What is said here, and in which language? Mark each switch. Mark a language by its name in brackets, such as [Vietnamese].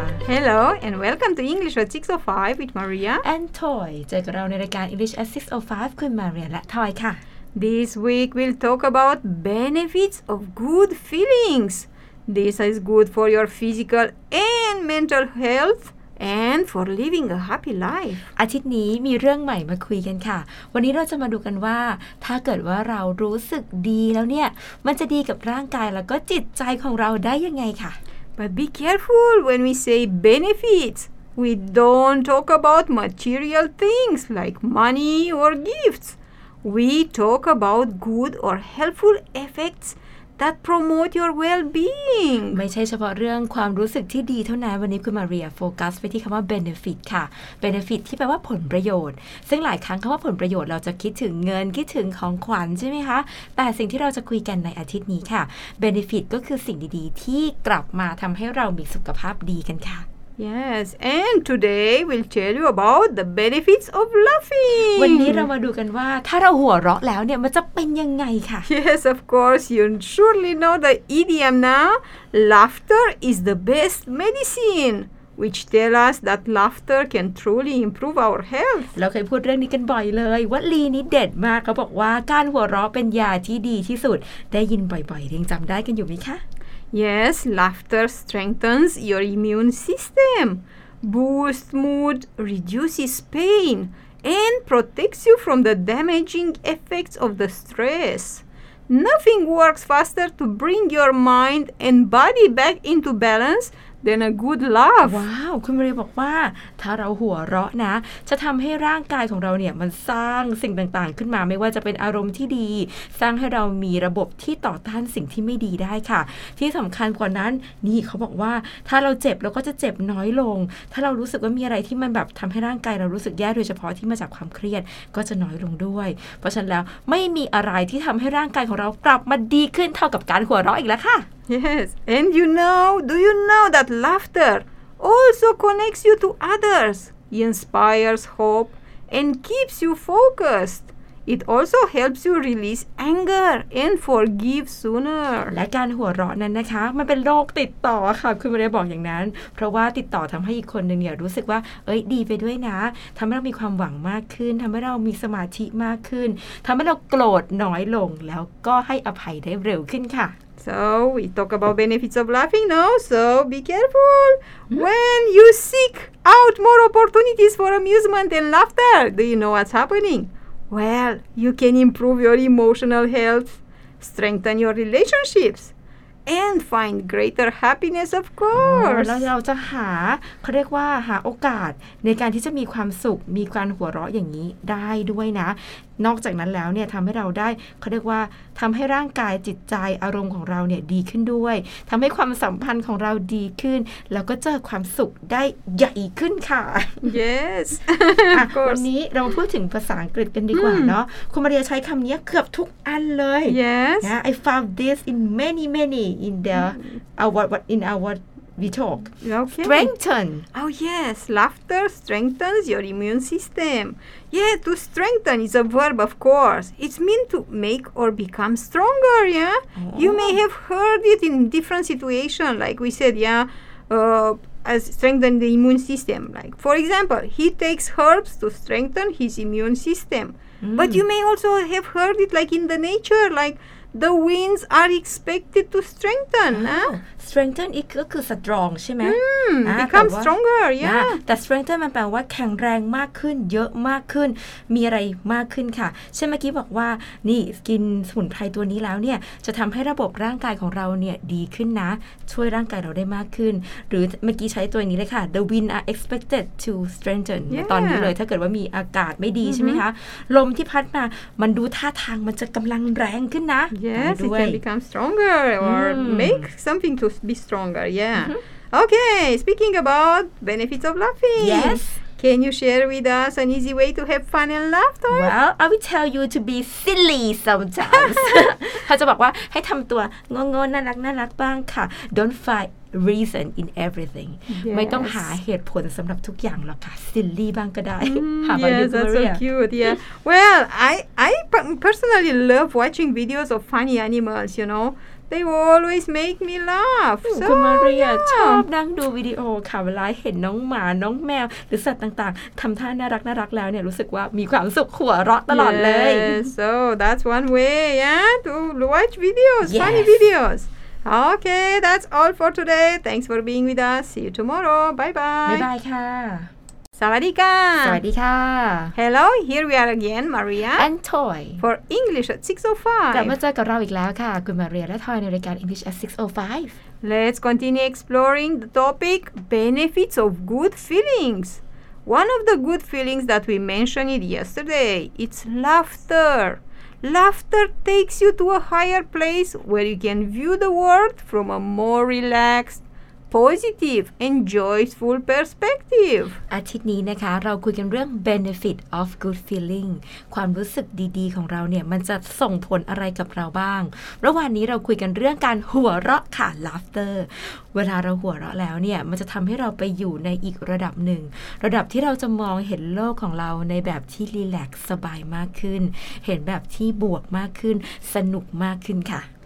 [English] Hello and welcome to English at 6:05 with Maria and Toy. [Thai] เจอกับเราในรายการ English at 6:05 คุณมาเรียและ Toy ค่ะ [English] This week we'll talk about benefits of good feelings. This is good for your physical and mental health. And for living a happy life. [Thai] อาทิตย์นี้มีเรื่องใหม่มาคุยกันค่ะวันนี้เราจะมาดูกันว่าถ้าเกิดว่าเรารู้สึกดีแล้วเนี่ยมันจะดีกับร่างกายแล้วก็จิตใจของเราได้ยังไงค่ะ [English] But be careful when we say benefits. We don't talk about material things like money or gifts. We talk about good or helpful effects. That promote your well-being. [Thai] ไม่ใช่เฉพาะเรื่องความรู้สึกที่ดีเท่านั้นวันนี้คุณมาเรียโฟกัสไปที่คำว่า benefit ค่ะ benefit ที่แปลว่าผลประโยชน์ซึ่งหลายครั้งคำว่าผลประโยชน์เราจะคิดถึงเงินคิดถึงของขวัญใช่ไหมคะแต่สิ่งที่เราจะคุยกันในอาทิตย์นี้ค่ะ benefit ก็คือสิ่งดีๆที่กลับมาทำให้เรามีสุขภาพดีกันค่ะ [English] Yes, and today we'll tell you about the benefits of laughing. [Thai] วันนี้เรามาดูกันว่าถ้าเราหัวเราะแล้วเนี่ยมันจะเป็นยังไงค่ะ [English] Yes, of course, you surely know the idiom now. Laughter is the best medicine, which tells us that laughter can truly improve our health. [Thai] เราเคยพูดเรื่องนี้กันบ่อยเลยวลีนี้เด็ดมากเขาบอกว่าการหัวเราะเป็นยาที่ดีที่สุดได้ยินบ่อยๆยังจำได้กันอยู่ไหมคะ [English] Yes, laughter strengthens your immune system, boosts mood, reduces pain, and protects you from the damaging effects of the stress. Nothing works faster to bring your mind and body back into balance than a good laugh. [Thai] Wow, คุณมารีบอกว่าถ้าเราหัวเราะนะจะทำให้ร่างกายของเราเนี่ยมันสร้างสิ่งต่างๆขึ้นมาไม่ว่าจะเป็นอารมณ์ที่ดีสร้างให้เรามีระบบที่ต่อต้านสิ่งที่ไม่ดีได้ค่ะที่สำคัญกว่านั้นนี่เขาบอกว่าถ้าเราเจ็บเราก็จะเจ็บน้อยลงถ้าเรารู้สึกว่ามีอะไรที่มันแบบทำให้ร่างกายเรารู้สึกแย่โดยเฉพาะที่มาจากความเครียดก็จะน้อยลงด้วยเพราะฉะนั้นแล้วไม่มีอะไรที่ทำให้ร่างกายของเรากลับมาดีขึ้นเท่ากับการหัวเราะอีกแล้วค่ะ [English] Yes, and you know, do you know that laughter also connects you to others, inspires hope, and keeps you focused? It also helps you release anger and forgive sooner. [Thai] และการหัวเราะนั้นนะคะมันเป็นโรคติดต่อค่ะคุณไม่ได้บอกอย่างนั้นเพราะว่าติดต่อทำให้อีกคนหนึ่งเนี่ยรู้สึกว่าเอ้ยดีไปด้วยนะทำให้เรามีความหวังมากขึ้นทำให้เรามีสมาธิมากขึ้นทำให้เราโกรธน้อยลงแล้วก็ให้อภัยได้เร็วขึ้นค่ะ [English] So, we talk about benefits of laughing now, so be careful. When you seek out more opportunities for amusement and laughter, do you know what's happening? Well, you can improve your emotional health, strengthen your relationships, and find greater happiness, of course. [Thai] แล้วเราจะหาเขาเรียกว่าหาโอกาสในการที่จะมีความสุขมีการหัวเราะอย่างนี้ได้ด้วยนะนอกจากนั้นแล้วเนี่ยทำให้เราได้เขาเรียกว่าทำให้ร่างกายจิตใจอารมณ์ของเราเนี่ยดีขึ้นด้วยทำให้ความสัมพันธ์ของเราดีขึ้นแล้วก็เจอความสุขได้ใหญ่ขึ้นค่ะ [English] yes [Thai] วันนี้เรามาพูดถึงภาษาอังกฤษกันดีกว่าเนาะคุณมาเรียใช้คำนี้เกือบทุกอันเลย [English] yes yeah, I found this in many in the our we talk okay. strengthen oh yes laughter strengthens your immune system. Yeah, to strengthen is a verb, of course. It's mean to make or become stronger, yeah? Oh. You may have heard it in different situations, like we said, yeah, as strengthen the immune system. Like, for example, he takes herbs to strengthen his immune system. Mm. But you may also have heard it like in the nature, like the winds are expected to strengthen, huh? [Thai] Strengthen อีกก็คือ strong ใช่ไหม [English] become stronger yeah [Thai] แต่ strengthen มันแปลว่าแข็งแรงมากขึ้นเยอะมากขึ้นมีอะไรมากขึ้นค่ะใช่เมื่อกี้บอกว่านี่กินสมุนไพรตัวนี้แล้วเนี่ยจะทำให้ระบบร่างกายของเราเนี่ยดีขึ้นนะช่วยร่างกายเราได้มากขึ้นหรือเมื่อกี้ใช้ตัวนี้เลยค่ะ [English] the wind are expected to strengthen yeah. [Thai] ตอนนี้เลยถ้าเกิดว่ามีอากาศไม่ดี mm-hmm. ใช่ไหมคะลมที่พัดมามันดูท่าทางมันจะกำลังแรงขึ้นนะ [English] yes it can become stronger or make somethingTo be stronger, yeah. Mm-hmm. Okay, speaking about benefits of laughing. Yes. Can you share with us an easy way to have fun and laugh, Toy? Well, I will tell you to be silly sometimes. [Thai] เขาจะบอกว่าให้ทำตัวงงๆน่ารักน่ารักบ้างค่ะ [English] Don't fight. reason in everything. Yes. [Thai] ไม่ต้องหาเหตุผลสำหรับทุกอย่างหรอกค่ะ silly บ้างก็ได้ [English] yes that's so cute yeah well I personally love watching videos of funny animals you know they always make me laugh [Thai] คุณมาเรียชอบนั่งดูวิดีโอค่ะเวลาเห็นน้องหมาน้องแมวหรือสัตว์ต่างๆทำท่าน่ารักน่ารักแล้วเนี่ยรู้สึกว่ามีความสุขหัวเราะตลอดเลย [English] so that's one way yeah to watch videos yes. funny videosOkay, that's all for today. Thanks for being with us. See you tomorrow. Bye-bye. Bye-bye, ka. [Thai] Sawadika. Sawadika. [English] Hello, here we are again, Maria. And Toy. For English at 6:05. [Thai] กลับมาเจอกับเราอีกแล้วค่ะคุณ Maria และ Toy ในรายการ English at 6:05. [English] Let's continue exploring the topic benefits of good feelings. One of the good feelings that we mentioned yesterday, it's laughter. Laughter takes you to a higher place where you can view the world from a more relaxed, positive, and joyful perspective. [Thai] อาทิตย์นี้นะคะเราคุยกันเรื่อง [English] benefit of good feeling [Thai] ความรู้สึกดีๆของเราเนี่ยมันจะส่งผลอะไรกับเราบ้างระหว่างนี้เราคุยกันเรื่องการหัวเราะค่ะ laughterเวลาเราหัวเราะแล้วเนี่ยมันจะทำให้เราไปอยู่ในอีกระดับหนึ่งระดับที่เราจะมองเห็นโลกของเราในแบบที่รีแลกซ์สบายมากขึ้นเห็นแบบที่บวกมากขึ้นสนุกมากขึ้นค่ะ